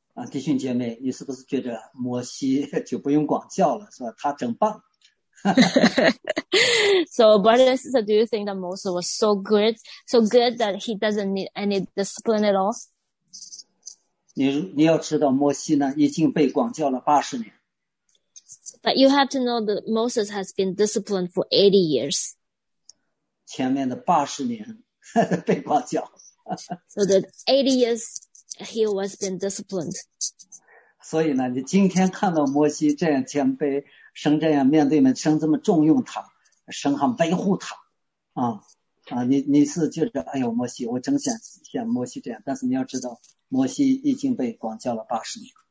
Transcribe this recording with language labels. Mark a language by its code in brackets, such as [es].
[zh] 弟兄姐妹，你是不是觉得摩西就不用管教了，是吧？他真棒。 [en] So, brother and sister, do you think that Moses was so good that he doesn't need any discipline at all? [zh] 你要知道，摩西呢已经被管教了80年。 [en] But you have to know that Moses has been disciplined for 80 years. [zh] 前面的80年被管教。 [en] So the 80 years he was being disciplined. [zh] 所以呢，你今天看到摩西这样谦卑。神这样面对们，神这么重用他，神很维护他。啊啊，你是觉得哎呦摩西，我真想像摩西这样，但是你要知道，摩西已经被管教了80年。